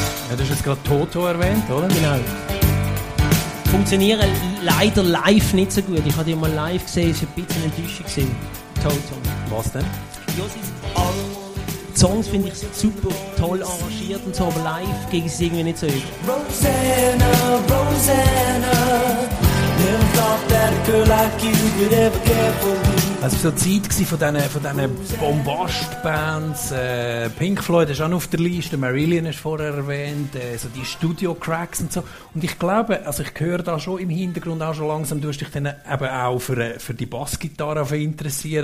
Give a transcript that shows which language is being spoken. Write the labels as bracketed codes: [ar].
[de] Ja, du hast jetzt gerade Toto erwähnt, oder? Genau. Funktionieren leider live nicht so gut. Ich habe die mal live gesehen, es war ein bisschen enttäuschend gewesen. Total. Was denn? Ja, die Songs finde ich super toll arrangiert und so, aber live ging es irgendwie nicht so gut. [en] Rosanna, Rosanna, never thought that a girl like you would ever care for me. [de] Es war so die Zeit von diesen Bombast-Bands. Pink Floyd ist auch auf der Liste, Marillion ist vorher erwähnt, so die Studio-Cracks und so. Und ich glaube, also ich höre da schon im Hintergrund auch schon langsam, du hast dich dann eben auch für die Bassgitarre interessiert.